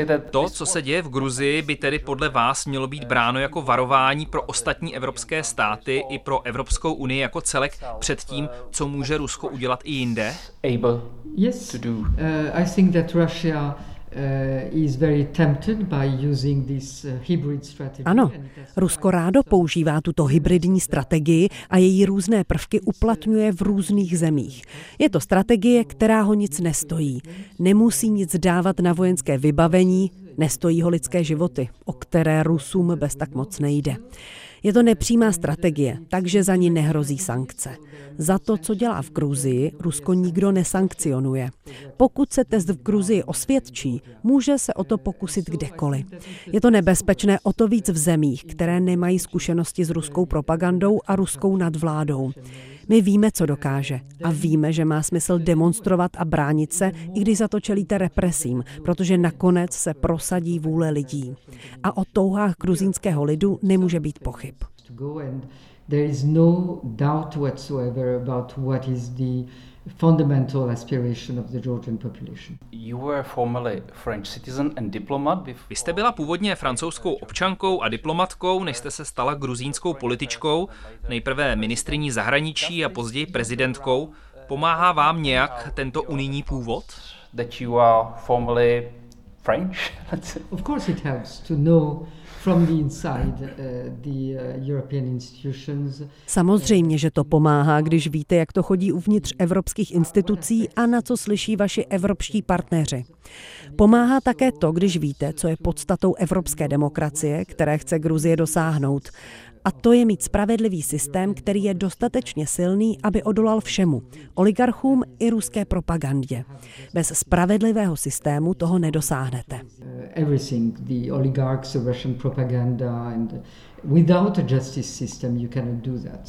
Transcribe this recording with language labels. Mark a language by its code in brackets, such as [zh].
[cs] To, co se děje v Gruzii, by tedy podle vás mělo být bráno jako varování pro ostatní evropské státy i pro Evropskou unii jako celek před tím, co může Rusko udělat i jinde? [en] Yes. I think that Russia is very tempted by using this hybrid strategy. [cs] Ano, Rusko rádo používá tuto hybridní strategii a její různé prvky uplatňuje v různých zemích. Je to strategie, která ho nic nestojí. Nemusí nic dávat na vojenské vybavení, nestojí ho lidské životy, o které Rusům bez tak moc nejde. Je to nepřímá strategie, takže za ní nehrozí sankce. Za to, co dělá v Gruzii, Rusko nikdo nesankcionuje. Pokud se test v Gruzii osvědčí, může se o to pokusit kdekoliv. Je to nebezpečné o to víc v zemích, které nemají zkušenosti s ruskou propagandou a ruskou nadvládou. My víme, co dokáže a víme, že má smysl demonstrovat a bránit se, i když za to čelíte represím, protože nakonec se prosadí vůle lidí. A o touhách gruzínského lidu nemůže být pochyb. [en] There is no doubt whatsoever about what is the fundamental aspiration of the Georgian population. You were formerly French citizen and diplomat. [cs] Vy jste byla původně francouzskou občankou a diplomatkou, než jste se stala gruzínskou političkou, nejprve ministryní zahraničí a později prezidentkou. Pomáhá vám nějak tento unijní původ? [en] That you are formerly French? Of course it helps to know from the inside the European institutions. [cs] Samozřejmě, že to pomáhá, když víte, jak to chodí uvnitř evropských institucí a na co slyší vaši evropští partneři. Pomáhá také to, když víte, co je podstatou evropské demokracie, které chce Gruzie dosáhnout. A to je mít spravedlivý systém, který je dostatečně silný, aby odolal všemu, oligarchům i ruské propagandě. Bez spravedlivého systému toho nedosáhnete. [en] Everything, the oligarchs, the Russian propaganda, and without a justice system you cannot do that.